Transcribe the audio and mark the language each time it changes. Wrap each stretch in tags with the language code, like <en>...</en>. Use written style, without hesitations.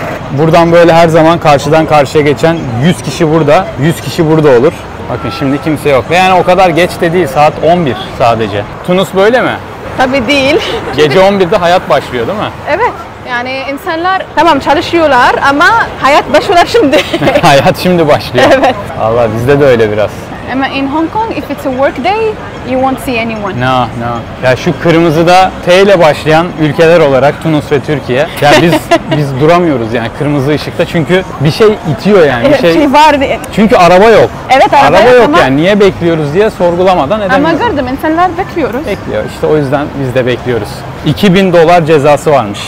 <tr>Buradan böyle her zaman karşıdan karşıya geçen 100 kişi burada, 100 kişi burada olur. Bakın şimdi kimse yok. Yani o kadar geç de değil, saat 11 sadece. Tunus böyle mi? Tabii değil. Gece 11'de hayat başlıyor değil mi? Evet. Yani insanlar tamam çalışıyorlar ama hayat başlıyor şimdi. Hayat şimdi başlıyor. Evet. Valla bizde de öyle biraz.</tr> <en>Ama in Hong Kong if it's a work day you won't see anyone. No.</en> <tr>Ya şu kırmızıda T ile başlayan ülkeler olarak Tunus ve Türkiye. Ya biz duramıyoruz yani kırmızı ışıkta, çünkü bir şey itiyor yani. Bir şey var. Çünkü araba yok. Evet, araba yok ama... yani niye bekliyoruz diye sorgulamadan edemiyoruz. Ama gördüm insanlar bekliyoruz. Bekliyor işte, o yüzden biz de bekliyoruz. 2000 dolar cezası varmış.</tr>